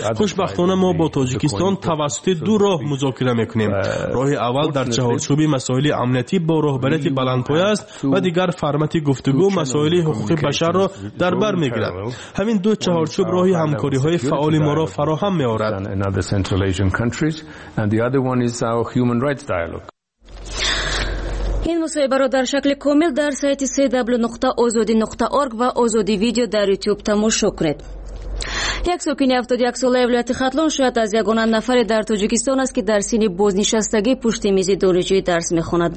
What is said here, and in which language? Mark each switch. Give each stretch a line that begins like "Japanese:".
Persian: خوشبختانه ما با تاجیکستان توسط دو راه مذاکره میکنیم. راه اول در چهارچوب مسائل امنیتی با رهبریت بلندپایه است و دیگر فرمت گفتگو مسائل حقوق بشر را در بر میگیرد. همین دو چهارچوب راه همکاری های فعال ما را فراهم می آورد.
English: And the other one is our human rights dialogue.
Persian: این مصاحبه را در شکل کامل در سایت www.azadi.org و آزادی ویدیو در یوتیوب تماشا کنید. یک سکینی 71 ساله ولایت خطلان شاید از یگانه نفری در تاجیکستان است که در سن بازنشستگی پشت میز دانشجو درس میخواند.